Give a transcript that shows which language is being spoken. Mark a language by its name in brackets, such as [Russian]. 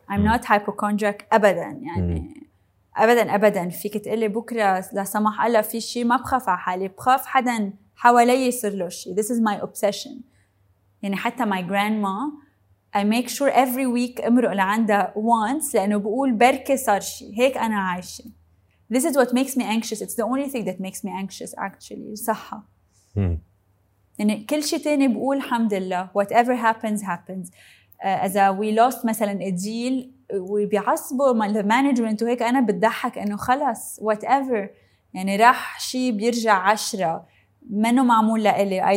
[English] I'm not hypochondriac [Arabic] أبداً يعني أبداً أبداً. فيك تقلي بكرة لا سمح الله في شيء، ما بخاف على حالي، بخاف حدا حوالي يصير له شيء. [English] This is my obsession. [Arabic] يعني حتى [English] my grandma I make sure every week [Arabic] أمرق لعندها once لأنه بقول بركة صار شيء. هيك أنا عايشة. [English] This is what makes me anxious. It's the only thing that makes me anxious actually. [Arabic] صحة. يعني كل شيء تاني بقول الحمد لله. [English] Whatever happens happens. [Arabic] إذا [English] we lost [Arabic] مثلاً [English] a deal [Arabic] وبيعصبوا [English] the management [Arabic] وهيك أنا بتضحك إنه خلاص whatever يعني راح شيء بيرجع 10 منه معمول لإلي.